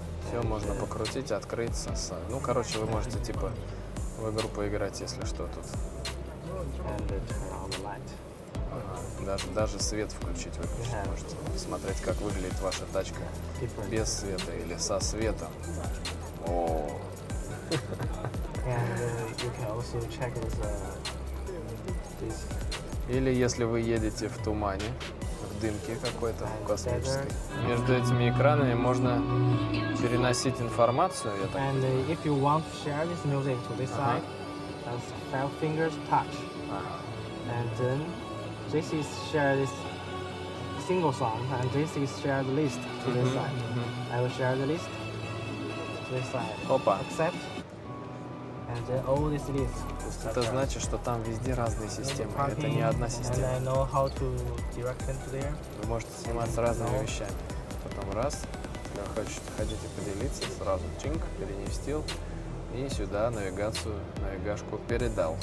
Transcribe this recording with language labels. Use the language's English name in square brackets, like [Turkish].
[Russian] Все можно покрутить, открыться. Ну, короче, вы можете типа в игру поиграть, если что тут. [English] And turn on the light. [Russian] Даже свет включить вы можете. Смотреть, как выглядит ваша тачка без света или со светом. О. [English] And you can also check with this. [Russian] Или если вы едете в тумане. Дымки какой-то космической. Между этими экранами можно переносить информацию, я так понимаю. [English] If you want to share this music to this side, that's five fingers touch. And then this is share this single song, and this is share the list to this side. I will share the list to this side. [Russian] Опа. [English] Accept. And then all this list. [Russian] Это значит, что там везде разные системы. Это не одна система. [English] And I know how to direct them to there. [Russian] Вы можете сниматься разными вещами. Потом раз, хотите поделиться, сразу чинг, переместил. И сюда навигацию, навигашку передал.